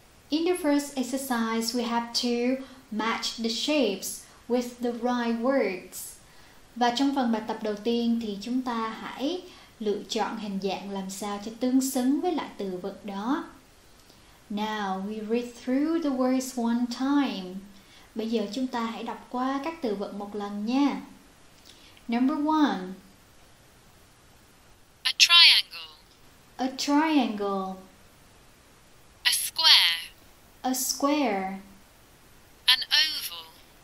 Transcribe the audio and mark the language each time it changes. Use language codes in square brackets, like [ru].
[en] In the first exercise, we have to match the shapes with the right words. [vi] Và trong phần bài tập đầu tiên thì chúng ta hãy lựa chọn hình dạng làm sao cho tương xứng với lại từ vựng đó. [en] Now we read through the words one time. [vi] Bây giờ chúng ta hãy đọc qua các từ vựng một lần nha. [en] Number one. A triangle. A triangle. A square. A square. An oval.